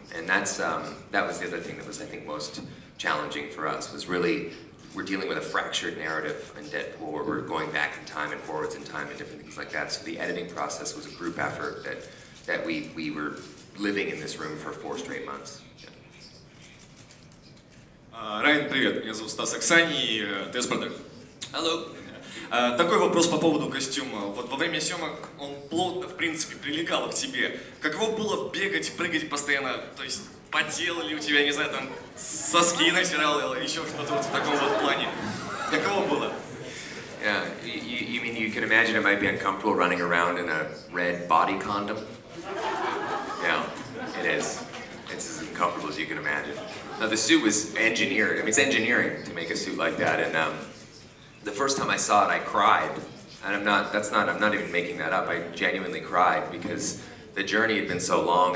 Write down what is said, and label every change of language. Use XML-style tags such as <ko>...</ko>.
<en>And that's that was the other thing that was, I think, most challenging for us, was really we're dealing with a fractured narrative in Deadpool, where we're going back in time and forwards in time and different things like that. So the editing process was a group effort that we were living in this room for 4 straight months.</en> <ru>Райан, привет. Меня зовут Стас Оксани, и ты из Бордок.</ru> <en>Hello.</en> <ru>Такой вопрос по поводу костюма. Вот во время съемок он плотно, в принципе, прилегал к тебе. Как его было бегать, прыгать постоянно? То есть подделали у тебя, не знаю, там соски натирал или еще что-то вот в таком вот плане? Каково было?</ru> <en>Yeah, you mean you can imagine it might be uncomfortable running around in a red body condom? Yeah, it is. It's as uncomfortable as you can imagine. Now, the suit was engineered. I mean, it's engineering to make a suit like that. And the first time I saw it, I cried. And I'm not even making that up. I genuinely cried because the journey had been so long.</en>